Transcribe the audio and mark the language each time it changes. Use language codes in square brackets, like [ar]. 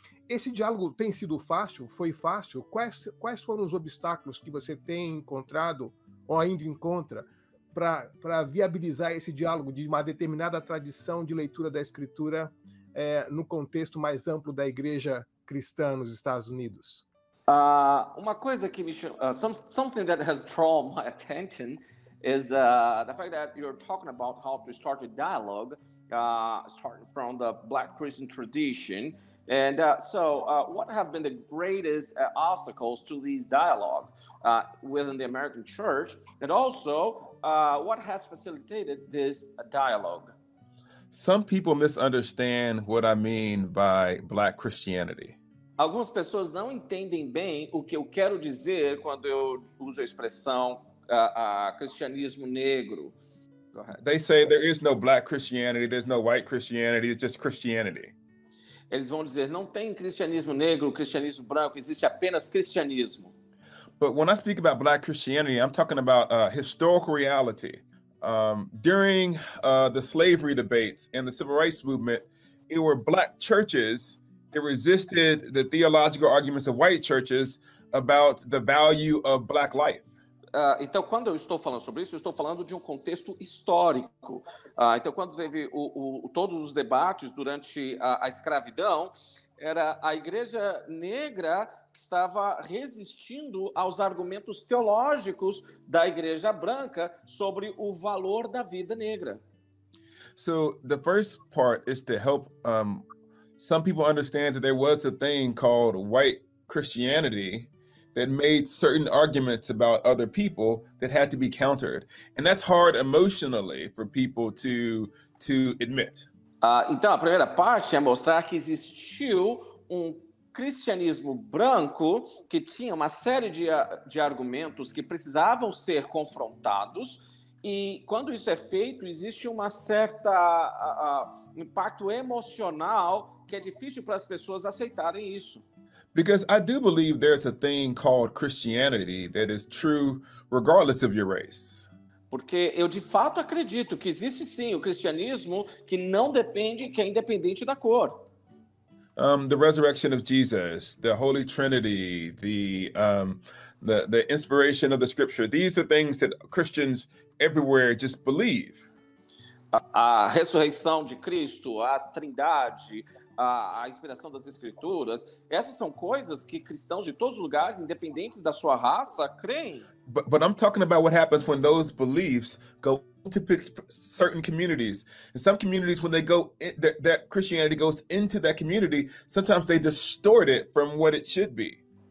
[pt] Esse diálogo tem sido fácil? Foi fácil? Quais foram os obstáculos que você tem encontrado ou ainda encontra para viabilizar esse diálogo de uma determinada tradição de leitura da escritura no contexto mais amplo da igreja cristã nos Estados Unidos? Uma coisa que me [en] something that has drawn my attention is the fact that you're talking about how to start a dialogue starting from the Black Christian tradition. And what have been the greatest obstacles to these dialogue within the American church? And also, what has facilitated this dialogue? Some people misunderstand what I mean by Black Christianity. [pt] Algumas pessoas não entendem bem o que eu quero dizer quando eu uso a expressão cristianismo negro. [en] Go ahead. They say there is no Black Christianity, there's no white Christianity, it's just Christianity. [pt] Eles vão dizer, não tem cristianismo negro, cristianismo branco, existe apenas cristianismo. [en] But when I speak about Black Christianity, I'm talking about historical reality. During the slavery debates and the civil rights movement, it were Black churches that resisted the theological arguments of white churches about the value of Black life. [pt] Então, quando eu estou falando sobre isso, eu estou falando de um contexto histórico. Então, quando teve todos os debates durante a escravidão, era a igreja negra que estava resistindo aos argumentos teológicos da igreja branca sobre o valor da vida negra. [en] So, the first part is to help some people understand that there was a thing called white Christianity that made certain arguments about other people that had to be countered. And that's hard emotionally for people to admit. [pt] Então, a primeira parte é mostrar que existiu um cristianismo branco que tinha uma série de argumentos que precisavam ser confrontados, e quando isso é feito, existe uma certa impacto emocional que é difícil para as pessoas aceitarem isso. [en] Because I do believe there's a thing called Christianity that is true regardless of your race. [pt] Porque eu de fato acredito que existe sim o cristianismo que não depende, que é independente da cor. [en] The resurrection of Jesus, the Holy Trinity, the inspiration of the scripture, these are things that Christians everywhere just believe. [pt] A ressurreição de Cristo, a Trindade, a inspiração das escrituras, essas são coisas que cristãos de todos os lugares, independentes da sua raça, creem. [en] But I'm talking about what happens when those beliefs go to certain communities. In some communities, when they go, that Christianity goes into that community, sometimes they distort it from what it should be.